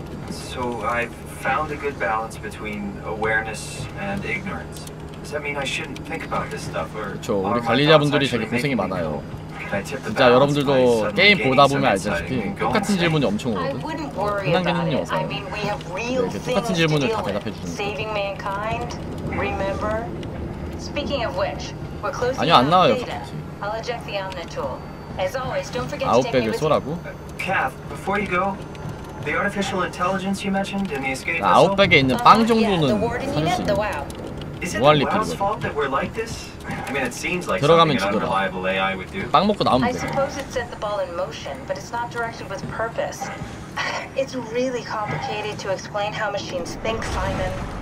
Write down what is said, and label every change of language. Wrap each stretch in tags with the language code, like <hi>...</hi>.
<en>So I found a good balance between awareness and ignorance. Does that mean I shouldn't think about this stuff or?</en> <ko>그쵸, 우리 관리자분들이 되게 고생이 많아요. 진짜 여러분들도 게임 보다 보면 알다시피 똑같은 질문이 엄청 오거든. 한 개는 없어. 이렇게 똑같은 질문을 다 대답해 주는.</ko> <en>Saving mankind, remember? Speaking of which, we're close.</en> <ko>아니요, 안 나와요. 아웃백을 쏘라고?</ko> <en>Kath, before you go. The artificial intelligence you mentioned in the escape.</en> <ko>아, 아웃백에 있는 빵 정도는 사실</ko> <en>the wow. Is it the wow's fault that we're like this? I mean, it seems like something an unreliable AI would do.</en> <ko>빵 먹고 나오면 돼.</ko> <en>I suppose it set the ball in motion, but it's not directed with purpose. It's really complicated to explain how machines think, Simon.</en>